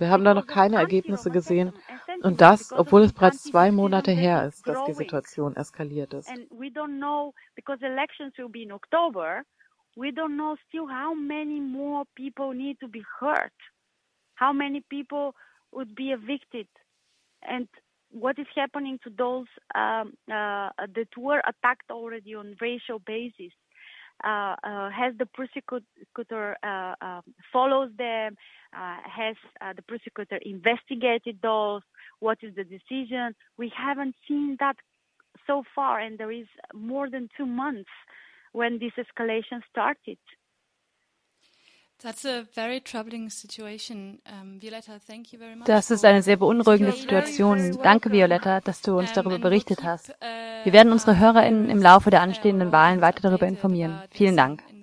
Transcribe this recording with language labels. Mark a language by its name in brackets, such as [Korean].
[German] Wir haben da noch keine Ergebnisse gesehen. Und das, obwohl es bereits 2 Monate her ist, dass die Situation eskaliert ist. Wir wissen nicht, weil die Wahlen im Oktober sind, wir wissen noch nicht, wie viele mehr Menschen verletzt werden müssen. Wie viele Menschen verletzt werden würden. [English] What is happening to those that were attacked already on racial basis? Has the prosecutor follows them? Has the prosecutor investigated those? What is the decision? We haven't seen that so far, and there is more than 2 months when this escalation started. That's a very troubling situation. Violetta, thank you very much. [German] Das ist eine sehr beunruhigende Situation. Danke, Violetta, dass du uns darüber berichtet hast. Wir werden unsere HörerInnen im Laufe der anstehenden Wahlen weiter darüber informieren. Vielen Dank.